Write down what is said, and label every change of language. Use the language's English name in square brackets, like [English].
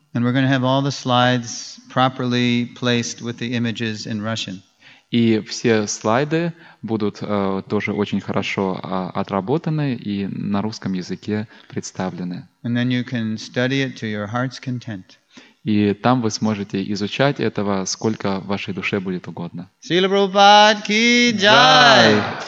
[English] And we're going to have all the slides properly placed with the images in Russian. [Russian] И все слайды будут тоже очень хорошо отработаны и на русском языке представлены. [English] And then you can study it to your heart's content. [Russian] И там вы сможете изучать этого, сколько вашей душе будет угодно. Шрила Прабхупада ки джай!